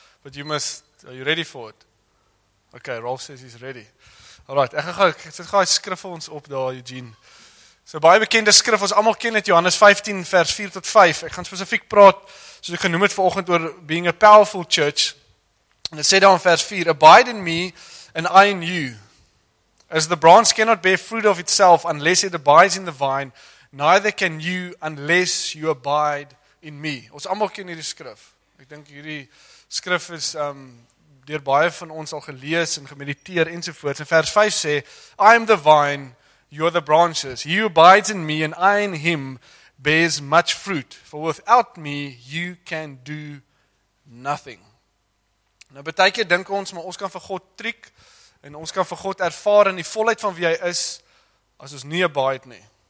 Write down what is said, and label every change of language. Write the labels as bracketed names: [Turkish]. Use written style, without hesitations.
[English] But you must, are you ready for it? Okay, Rolf says he's ready. [Afrikaans] Alright, ek gaan die skrif vir ons op daar, Eugene. So, baie bekende skrif, ons allemaal ken het, Johannes 15 vers 4 tot 5. Ek gaan specifiek praat, soos ek genoem het vanoggend, oor [English] being a powerful church. [Afrikaans] En het sê daar in vers 4, [English] abide in me and I in you. As the branch cannot bear fruit of itself unless it abides in the vine, neither can you unless you abide in me. [Afrikaans] Ons allemaal ken hierdie skrif. Ek dink hierdie skrif is deur baie van ons al gelees en gemediteer ensovoorts. En vers 5 sê, [English] I am the vine, you are the branches. He who abides in me and I in him bears much fruit. For without me, you can do nothing. [Afrikaans] Nou, baie keer dink ons, maar ons kan vir God triek en ons kan vir God ervaar in die volheid van wie hy is, as ons nie abide nie.